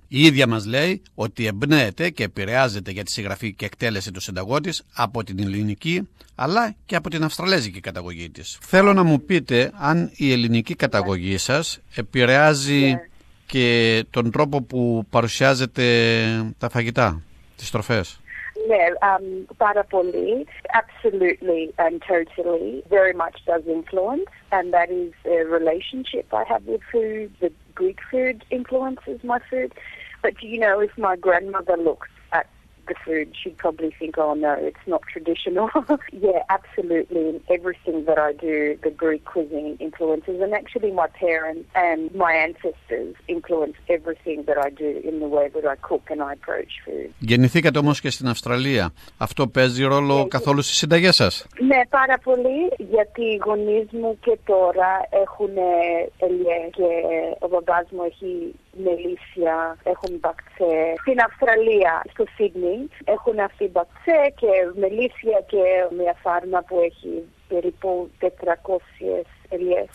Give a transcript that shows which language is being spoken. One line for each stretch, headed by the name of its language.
Greek: Η ίδια μας λέει ότι εμπνέεται και επηρεάζεται για τη συγγραφή και εκτέλεση του συνταγού της από την ελληνική, αλλά και από την αυστραλέζικη καταγωγή της. Θέλω να μου πείτε αν η ελληνική καταγωγή σας επηρεάζει και τον τρόπο που παρουσιάζετε τα φαγητά, τις τροφές. Πάρα πολύ,
English: absolutely and totally, very much does influence, and that is a relationship I have with food. The Greek food influences my food, but you know, if my grandmother looks at the food, she'd probably think, oh no, it's not traditional. Yeah, absolutely, in everything that I do, the Greek cuisine influences, and actually my parents and my ancestors influence everything that I do in the way that I cook and I approach food.
Greek: Γεννηθήκατε όμως και στην Αυστραλία. Αυτό παίζει ρόλο καθόλου στις συνταγές σας? Ναι, πάρα πολύ, γιατί οι γονείς μου και τώρα έχουν ελιέ και ο μπαμπάς μου έχει μελίσια, έχουν μπακτσέ. Στην Αυστραλία, στο Σίδνεϊ, έχουν αυτή μπακτσέ και μελίσια και μια φάρμα που έχει περίπου 400 ελιές.